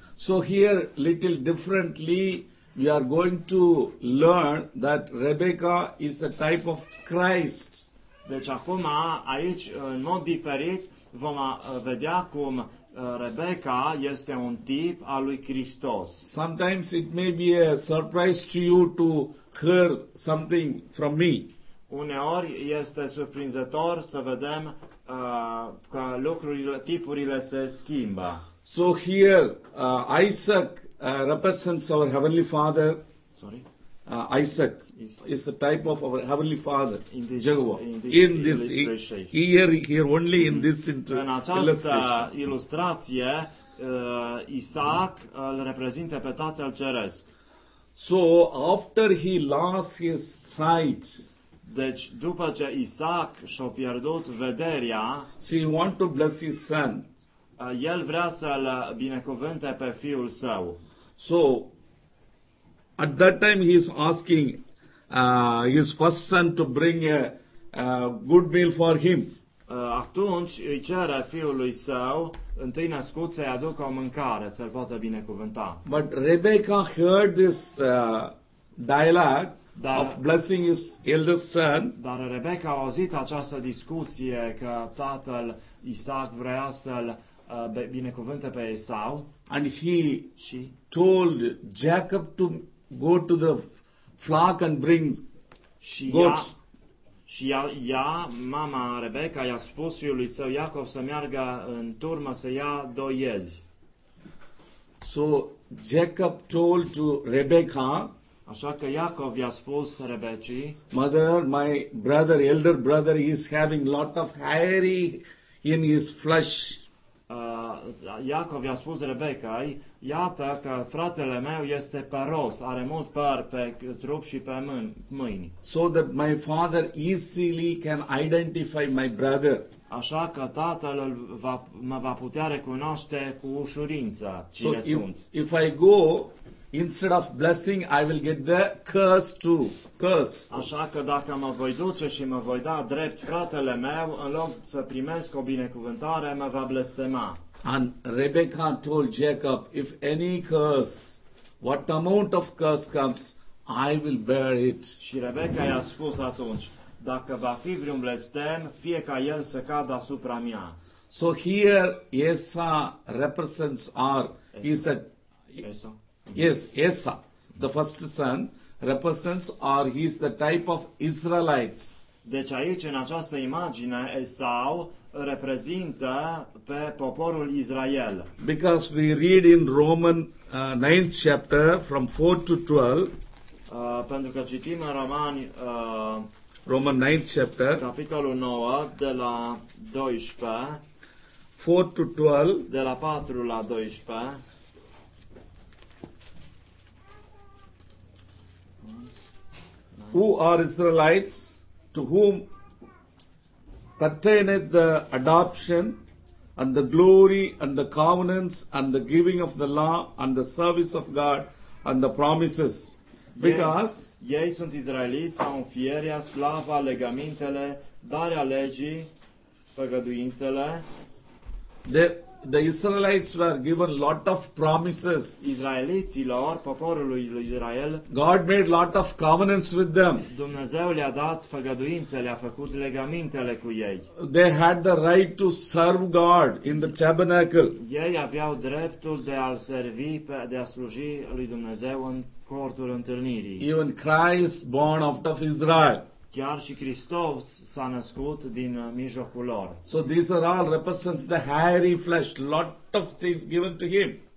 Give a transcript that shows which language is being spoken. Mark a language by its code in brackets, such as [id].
[en] So here, little differently, we are going to learn that Rebecca is a type of Christ. [ro] Deci acum, aici, în mod diferit, vom vedea cum Rebecca este un tip al lui Hristos. [en] Sometimes it may be a surprise to you to hear something from me. [ro] Uneori este surprinzător să vedem că lucrurile, tipurile se schimbă. [en] So here Isaac represents our Heavenly Father. Sorry. Isaac is a type of our Heavenly Father, Jehovah. In this, here only in this illustration. [ro] În această ilustrație, Isaac îl reprezintă pe Tatăl Ceresc. [en] So after he lost his sight, [ro] deci după ce Isaac și-a pierdut vederea, [en] so he want to bless his son. [ro] El vrea să-l binecuvânte pe fiul său. [en] So at that time he is asking his first son to bring a good meal for him. [ro] Atunci îi cere fiului său, întâi născut, să-i aducă o mâncare, să-l poată binecuvânta. [en] But Rebecca heard this dialogue of blessing his eldest son. [ro] Dar Rebecca a auzit această discuție că tatăl Isaac vrea să-l binecuvânte pe Esau. [en] And he told Jacob to go to the flock and bring goats. [ro] Și ea, mama Rebecca, i-a spus fiului său Iacov să meargă în turmă să ia doiezi. [en] So Jacob told to Rebecca, [ro] așa că Iacov i-a spus Rebecii, [en] mother, my brother, elder brother, is having lot of hairy in his flesh. [ro] Iacov i-a spus Rebecai, iată că fratele meu este păros, are mult păr pe trup și pe mâini. [en] So that my father easily can identify my brother. [ro] Așa că tatăl mă va putea recunoaște cu ușurință cine [en] so [ro] sunt. [en] If I go, instead of blessing, I will get the curse too. Curse. [ro] Așa că dacă mă voi duce și mă voi da drept fratele meu, în loc să primesc o binecuvântare, mă va blestema. [en] And Rebecca told Jacob, if any curse, what amount of curse comes, I will bear it. [ro] Și Rebecca i-a spus atunci, dacă va fi vreun blestem, fie ca el să cadă asupra mea. [en] So here Esau represents our, he said, Esau. Yes, Esau, the first son, represents or he is the type of Israelites. [ro] Deci aici, în această imagine, Esau reprezintă pe poporul Israel. [en] Because we read in Roman 9th chapter from 4 to 12. [ro] Pentru că citim în Romani, [en] Roman 9th chapter, [ro] capitolul 9, de la 12, [en] 4 to 12, [ro] de la 4 la 12, [en] who are Israelites, to whom pertaineth the adoption and the glory and the covenants and the giving of the law and the service of God and the promises. Because [ro] ei sunt israeliți, au fierea, slava, legamentele, darea legii, făgăduințele. [en] The Israelites were given lot of promises. [ro] Israeliților, poporului lui Israel, [en] God made lot of covenants with them. [ro] Dumnezeu le-a dat făgăduințe, le-a făcut legamentele cu ei. [en] They had the right to serve God in the tabernacle. [ro] Ei aveau dreptul de a-l servi, de a sluji lui Dumnezeu în cortul întâlnirii. [en] Even Christ born out of Israel. [ro] Chiar și Hristos s-a născut din mijlocul lor. [en] So these are all represents the hairy flesh, lot of things given to him.